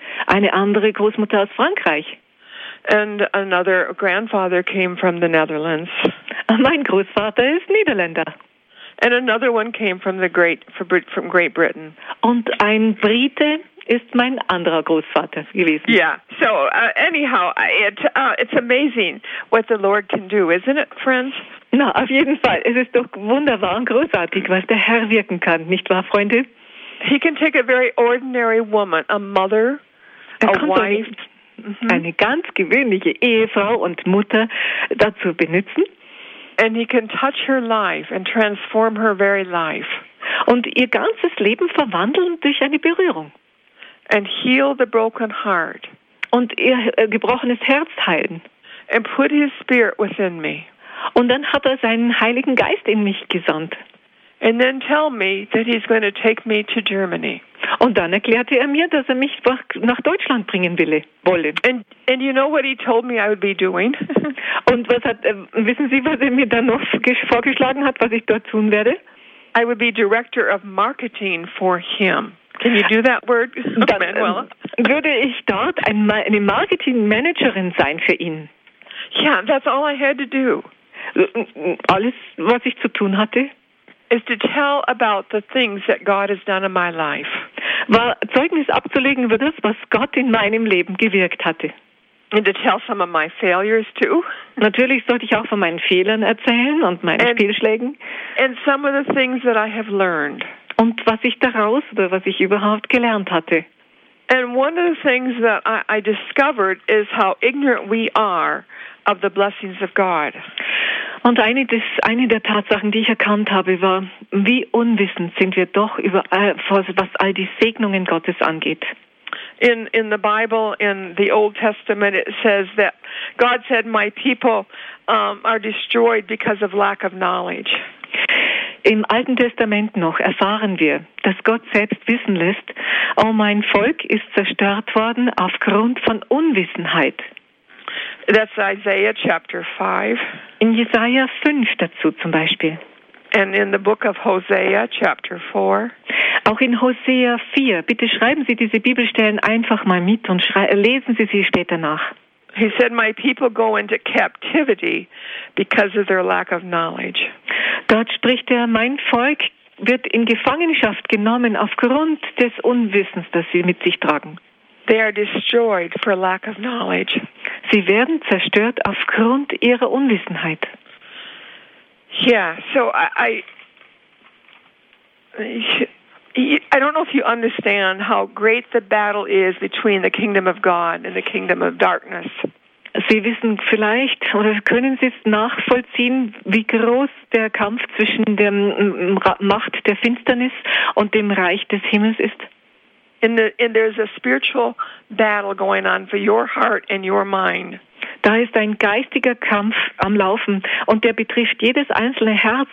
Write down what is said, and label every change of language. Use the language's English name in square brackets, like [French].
[German] Eine andere Großmutter aus Frankreich. [English] And another grandfather came from the Netherlands. [German] Mein Großvater ist Niederländer. [English] And another one came from Great Britain. [German] Und ein Brite ist mein anderer Großvater gewesen. [English] Yeah. So anyhow, it's amazing what the Lord can do, isn't it, friends? [German] Na, auf jeden Fall. Es ist doch wunderbar und großartig, was der Herr wirken kann, nicht wahr, Freunde? [English] He can take a very ordinary woman, a mother, a wife, [German] eine ganz gewöhnliche Ehefrau und Mutter dazu benutzen. [English] And he can touch her life and transform her very life. [German] Und ihr ganzes Leben verwandeln durch eine Berührung. [English] And heal the broken heart. [German] Und ihr gebrochenes Herz heilen. [English] And put his spirit within me. [German] Und dann hat er seinen Heiligen Geist in mich gesandt. [English] And then tell me that he's going to take me to Germany. [German] Und dann erklärte er mir, dass er mich nach Deutschland bringen wolle. [English] And you know what he told me I would be doing? [German] Und wissen Sie, was er mir dann noch vorgeschlagen hat, was ich dort tun werde? [English] I would be director of marketing for him. Can you do that word, [German] dann, Manuela? Würde ich dort eine Marketingmanagerin sein für ihn? [English] Yeah, that's all I had to do. [German] Alles, was ich zu tun hatte, [English] is to tell about the things that God has done in my life. [German] War Zeugnis abzulegen über das, was Gott in meinem Leben gewirkt hatte. [English] And to tell some of my failures too. [German] Natürlich sollte ich auch von meinen Fehlern erzählen und meinen Fehlschlägen. [English] And some of the things that I have learned. [German] Und was ich daraus oder was ich überhaupt gelernt hatte. [English] And one of the things that I discovered is how ignorant we are of the blessings of God. [German] Und eine der Tatsachen, die ich erkannt habe, war, wie unwissend sind wir doch über was all die Segnungen Gottes angeht. [English] in the Bible, in the Old Testament, it says that God said, my people are destroyed because of lack of knowledge. [German] Im Alten Testament noch erfahren wir, dass Gott selbst wissen lässt, oh, mein Volk ist zerstört worden aufgrund von Unwissenheit. [English] That's Isaiah chapter 5. [German] In Jesaja 5 dazu zum Beispiel. [English] And in the book of Hosea chapter 4. [German] Auch in Hosea 4. Bitte schreiben Sie diese Bibelstellen einfach mal mit und lesen Sie sie später nach. [English] He said, my people go into captivity because of their lack of knowledge. [German] Dort spricht er, mein Volk wird in Gefangenschaft genommen aufgrund des Unwissens, das sie mit sich tragen. [English] They are destroyed for lack of knowledge. [German] Sie werden zerstört aufgrund ihrer Unwissenheit. [English] Yeah, so I don't know if you understand how great the battle is between the kingdom of God and the kingdom of darkness. [German] Sie wissen vielleicht oder können Sie es nachvollziehen, wie groß der Kampf zwischen der Macht der Finsternis und dem Reich des Himmels ist? [English] And there's a spiritual battle going on for your heart and your mind. [German] Da ist ein geistiger Kampf am Laufen und der betrifft jedes einzelne Herz.